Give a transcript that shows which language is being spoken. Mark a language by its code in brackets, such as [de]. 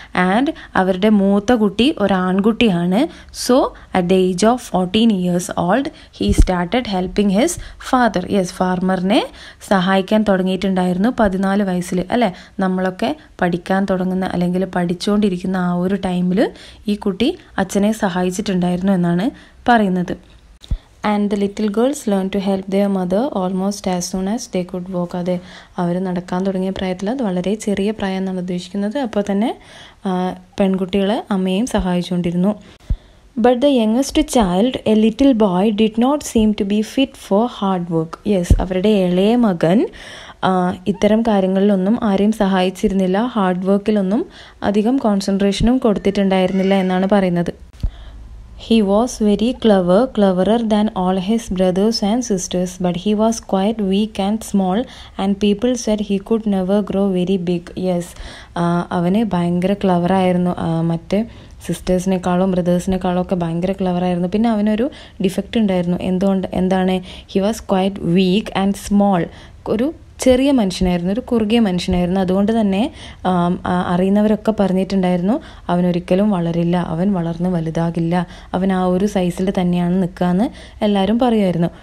[en] and [ml] അവരുടെ മൂത്ത കുട്ടി ഒരാൺകുട്ടിയാണ്. [en] So at the age of 14 years old he started helping his father. [ml] Yes, ഫാർമറിനെ സഹായിക്കാൻ തുടങ്ങിയിട്ടുണ്ടായിരുന്നു 14 വയസ്സിൽ, അല്ലേ? നമ്മളൊക്കെ പഠിക്കാൻ തുടങ്ങുന്ന അല്ലെങ്കിൽ പഠിച്ചുകൊണ്ടിരിക്കുന്ന ആ ഒരു ടൈമിൽ ഈ കുട്ടി അച്ഛനെ സഹായിച്ചിട്ടുണ്ടായിരുന്നു എന്നാണ് പറയുന്നത്. [en] And the little girls learned to help their mother almost as soon as they could walk. [ml] അതെ, അവർ നടക്കാൻ തുടങ്ങിയ പ്രായത്തിൽ, അത് വളരെ ചെറിയ പ്രായം എന്നാണ് ഉദ്ദേശിക്കുന്നത്. അപ്പോൾ തന്നെ പെൺകുട്ടികളെ അമ്മയും സഹായിച്ചുകൊണ്ടിരുന്നു. [en] But the youngest child, a little boy, did not seem to be fit for hard work. [ml] Yes, അവരുടെ ഇളയ മകൻ ഇത്തരം കാര്യങ്ങളിലൊന്നും ആരെയും സഹായിച്ചിരുന്നില്ല, ഹാർഡ് വർക്കിലൊന്നും അധികം കോൺസെൻട്രേഷനും കൊടുത്തിട്ടുണ്ടായിരുന്നില്ല എന്നാണ് പറയുന്നത്. [en] He was very clever, cleverer than all his brothers and sisters, but he was quite weak and small, and people said he could never grow very big. [ml] Yes, avane bayangara clever aayirunnu, matte സിസ്റ്റേഴ്സിനെക്കാളും ബ്രദേഴ്സിനെക്കാളും ഒക്കെ ഭയങ്കര ക്ലവറായിരുന്നു. പിന്നെ അവനൊരു defect ഉണ്ടായിരുന്നു. എന്തുകൊണ്ട്? എന്താണ്? [en] he was quiet weak and small, [ml] ഒരു ചെറിയ മനുഷ്യനായിരുന്നു, ഒരു കുറുകിയ മനുഷ്യനായിരുന്നു. അതുകൊണ്ട് തന്നെ അറിയുന്നവരൊക്കെ പറഞ്ഞിട്ടുണ്ടായിരുന്നു അവനൊരിക്കലും വളരില്ല, അവൻ വളർന്ന് വലുതാകില്ല, അവൻ ആ ഒരു സൈസിൽ തന്നെയാണ് നിൽക്കുക എന്ന് എല്ലാവരും പറയുമായിരുന്നു.